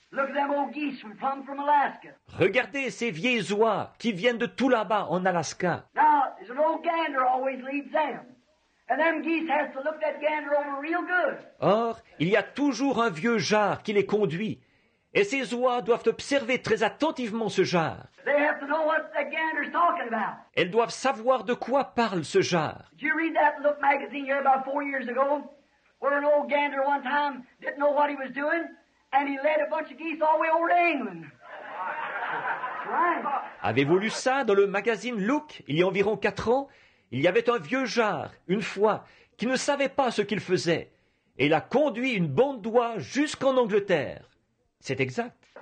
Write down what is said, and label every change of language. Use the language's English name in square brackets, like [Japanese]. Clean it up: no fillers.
[English] Look at them old geese who come from Alaska. [French] Regardez ces vieilles oies qui viennent de tout là-bas en Alaska. [English] Now, there's an old gander always leads them. And them geese have to look that gander over real good. [French] Or, il y a toujours un vieux jar qui les conduit. Et ces oies doivent observer très attentivement ce jar. [English] They have to know what the gander's talking about. [French] Elles doivent savoir de quoi parle ce jar. [English] Did you read that Look magazine here about 4 years ago? Where an old gander one time didn't know what he was doing, and he led a bunch of geese all the way over to England. Right. [French] Avez-vous lu ça dans le magazine Look, il y a environ 4 ans? Il y avait un vieux jar, une fois, qui ne savait pas ce qu'il faisait, et il a conduit une bande d'oies jusqu'en Angleterre. C'est exact.